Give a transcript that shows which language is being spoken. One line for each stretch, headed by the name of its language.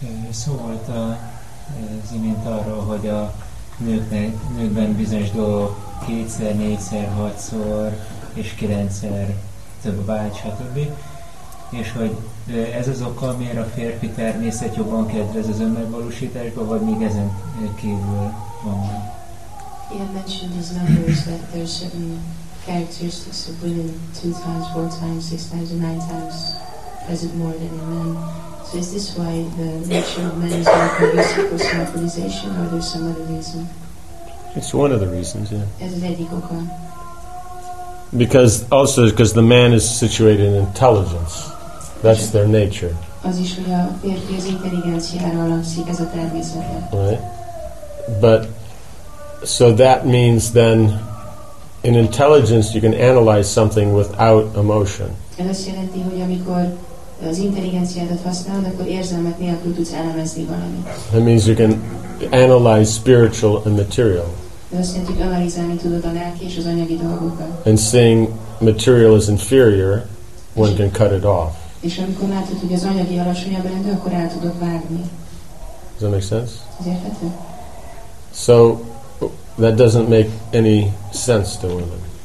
Hungarian: Szó volt az imént arról, hogy a nőkben bizonyos dolgok kétszer, négyszer, hatszor és kilencszer több a vágy, stb. És hogy ez az oka, miért a férfi természet jobban kedvez az önmegvalósításba, vagy még ezen kívül van?
English: Yeah, mentioned these numbers that there's certain characteristics of women 2 times, 4 times, 6 times, or 9 times present more than in men. So is this why the nature of men is more conducive for self-realization, or there's some other reason? It's one of the reasons, yeah. As a Vedic oka. Because also because the man is situated in intelligence. That's their nature.
Hungarian: Az is, hogy a férfi az intelligenciára alapszik, ez a természete.
English: Right. But so that means then, in intelligence, you can analyze something without emotion.
Hungarian: Ez azt jelenti, hogy amikor az intelligenciádat használod, akkor érzelmet nélkül tudsz elemezni valamit.
English: That means you can analyze spiritual and material.
Hungarian: Ez azt jelenti, hogy analizálni tudod a lelki és az anyagi dolgokat.
English: And seeing material is inferior, one can cut it off.
Hungarian: És amikor látod, hogy az anyagi alacsonyabb rendő, akkor el tudod vágni.
English: Does that make sense?
Hungarian: Ez érthető?
English: So that doesn't make any sense to women.